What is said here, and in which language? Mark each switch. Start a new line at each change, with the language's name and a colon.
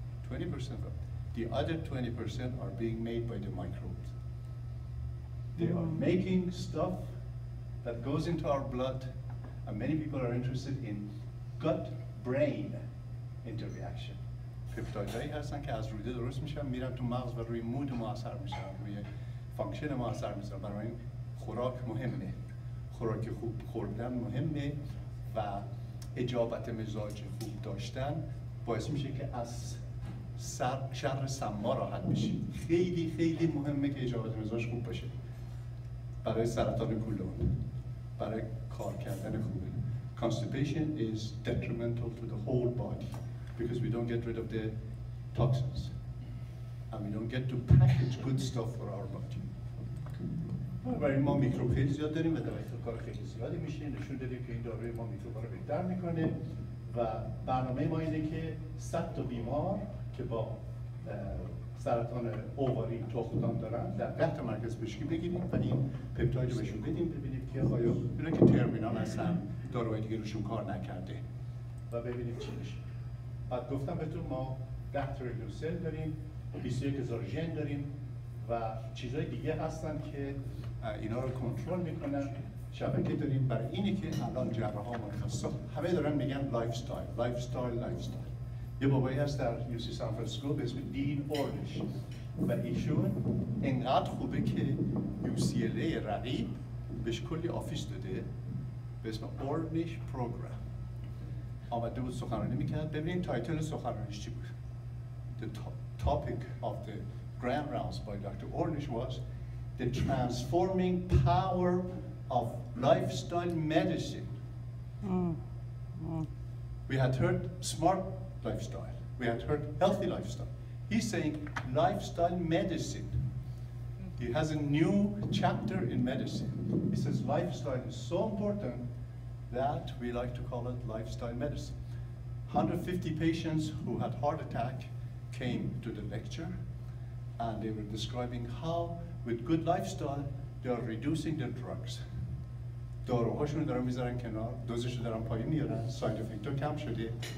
English: 20% of the other 20% are being made by the microbes. They are making stuff that goes into our blood, and many people are interested in gut-brain interaction.
Persian: پپتایدهایی هستن که از روده درست میشن، میرن تو مغز و روی مود ما اثر میشن، روی فانکشن ما اثر میشن. برای این خوراک مهمه، خوراک خوب خوردن مهمه و اجابت مزاج خوب داشتن باعث میشه که از شر سما راحت بشی. خیلی خیلی مهمه که اجابت مزاج خوب باشه برای سرطان کولون، برای کار کردن خوبه.
English: Constipation is detrimental to the whole body because we don't get rid of the toxins and we don't get to package good stuff for our body.
Persian: برای ما میکروب خیلی زیاد داریم و دوائی تو کار خیلی زیادی میشه. نشون داریم که این داروی ما میکروب رو بهتر میکنه و برنامه ما اینه که 100 تا بیمار که با سرطان اوواری تخمدان دارن در 10 تا مرکز پزشکی بگیریم و این پپتاید رو بهشون بدیم، ببینیم که آیا اینا که ترمینال هستن داروهای دیگه روشون کار نکرده و ببینیم چی میشه. بعد گفتم بهتون ما 10 تریلیون سل داریم، 21000 ژن داریم و چیزهای دیگه هستن که اینا رو کنترل میکنن. شبکه داریم برای اینی که الان جراح ها متخصص همه دارن میگن لایف استایل لایف استایل لایف استایل. یه بابایی هست در UC San Francisco به اسم دین اوردش و ایشون انقدر خوبه که UCLA رقیب بهش کلی آفیس داده به اسم اوردش پروگرام. آمده بود سخنرانی میکرد. ببینید تایتل سخنرانیش چی بود.
English: The topic of the grand rounds by Dr. Ornish was the transforming power of lifestyle medicine. We had heard smart lifestyle. We had heard healthy lifestyle. He's saying lifestyle medicine. He has a new chapter in medicine. He says lifestyle is so important that we like to call it lifestyle medicine. 150 patients who had heart attack came to the lecture and they were describing how with good lifestyle they are reducing their drugs.
Persian: داروهاشون دارن میذارن کنار، دوزشون دارن پایین میارن، ساید افکت ها کم شده.